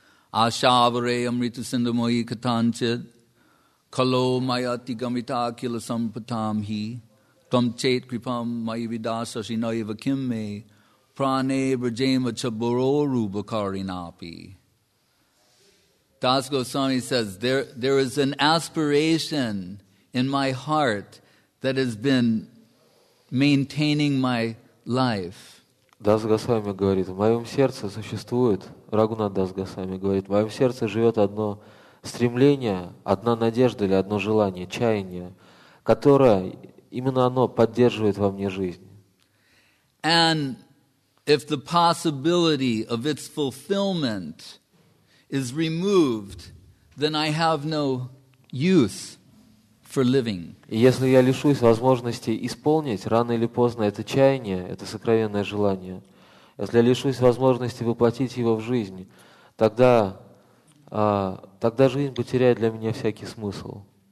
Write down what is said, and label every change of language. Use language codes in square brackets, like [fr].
[sa] Ашаваре амриту синдамои катанчит кало майати гамита акила сампатам хи там чет крипам майи видаса синай ваким ме пране бржема чаборору бакаринапи. [en] Das Goswami says, there is an aspiration in my heart that has been maintaining my life. [ru] Das Goswami говорит, в моем сердце существует, Рагунат Дас Госвами говорит, в моем сердце живет одно стремление, одна надежда или одно желание, чаяние, которое, именно оно поддерживает во мне жизнь. [en] And if the possibility of its fulfillment is removed, then I have no use for living. [ru] И если я лишусь возможности исполнить рано или поздно это чаяние, это сокровенное желание, если я лишусь возможности воплотить его в жизнь, тогда, тогда жизнь потеряет для меня всякий смысл.